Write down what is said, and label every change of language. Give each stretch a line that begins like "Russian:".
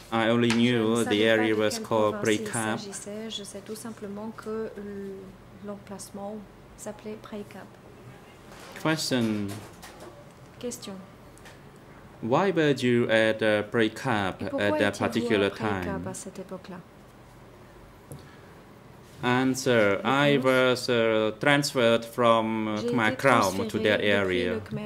English: I only knew the area was called Prey Cap.
French: Je sais tout simplement que l'emplacement s'appelait Prey Cap.
English: Question.
French: Question.
English: Why were you at Prey Cap at that particular time?
French: À cette époque-là?
English: Answer. I was transferred from Khmer Krom to that area.